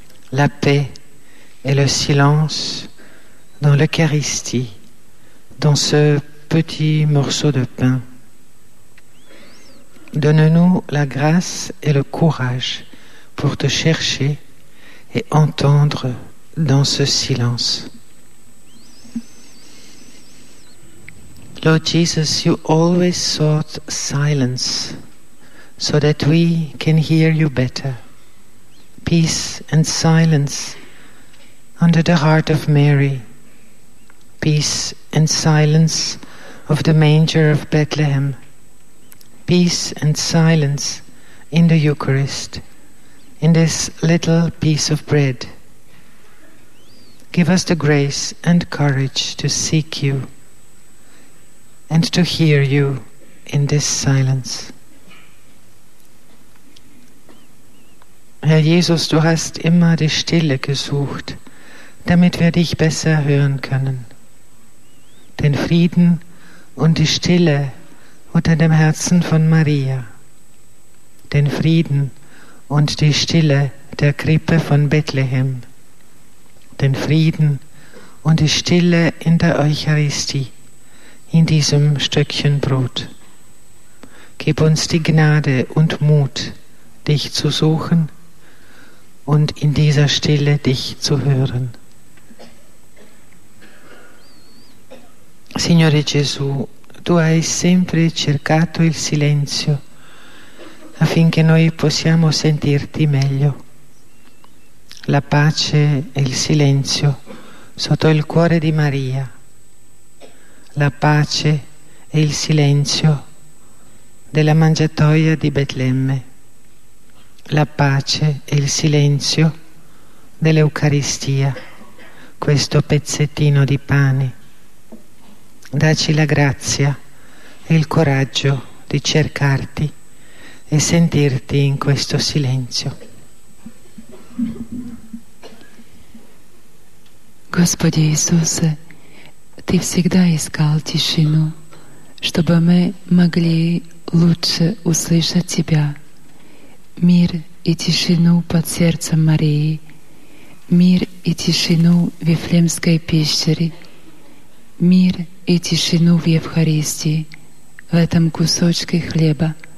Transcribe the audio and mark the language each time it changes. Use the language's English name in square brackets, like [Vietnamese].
[French] La paix et le silence dans l'Eucharistie, dans ce petit morceau de pain. Donne-nous la grâce et le courage pour te chercher et entendre dans ce silence. [English] Lord Jesus, you always sought silence so that we can hear you better. Peace and silence under the heart of Mary. Peace and silence of the manger of Bethlehem. Peace and silence in the Eucharist, in this little piece of bread. Give us the grace and courage to seek you and to hear you in this silence. [German] Herr Jesus, du hast immer die Stille gesucht, damit wir dich besser hören können. Den Frieden und die Stille unter dem Herzen von Maria, den Frieden und die Stille der Krippe von Bethlehem, den Frieden und die Stille in der Eucharistie, in diesem Stückchen Brot. Gib uns die Gnade und Mut, dich zu suchen und in dieser Stille dich zu hören. [Italian] Signore Gesù, tu hai sempre cercato il silenzio affinché noi possiamo sentirti meglio. La pace e il silenzio sotto il cuore di Maria. La pace e il silenzio della mangiatoia di Betlemme. La pace e il silenzio dell'Eucaristia, questo pezzettino di pane. Dacci la grazia e il coraggio di cercarti e sentirti in questo silenzio. [Russian] Господи Иисусе, ты всегда искал тишину, чтобы мы могли лучше услышать тебя. Мир и тишину под сердцем Марии, мир и тишину в Вифлеемской пещере, мир и тишину в Евхаристии, в этом кусочке хлеба.